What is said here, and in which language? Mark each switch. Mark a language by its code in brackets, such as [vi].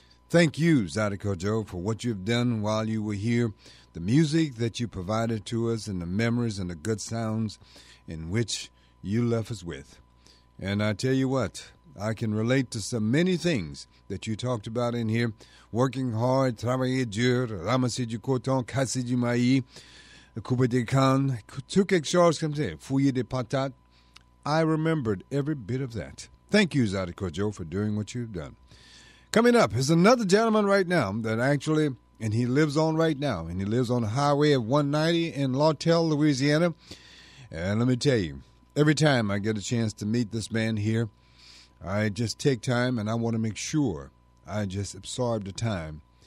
[en] Thank you, Zydeco Joe, for what you've done while you were here, the music that you provided to us and the memories and the good sounds in which you left us with. And I tell you what, I can relate to so many things that you talked about in here. Working hard, [fr] travailler dur, ramasser du coton, casser du maïs, couper des cannes, tout quelque chose comme ça, fouiller des patates. [en] I remembered every bit of that. Thank you, Zydeco Joe, for doing what you've done. Coming up is another gentleman right now that actually, and he lives on right now, and he lives on Highway 190 in Lautelle, Louisiana. And let me tell you, every time I get a chance to meet this man here, I just take time and I want to make sure I just absorb the time.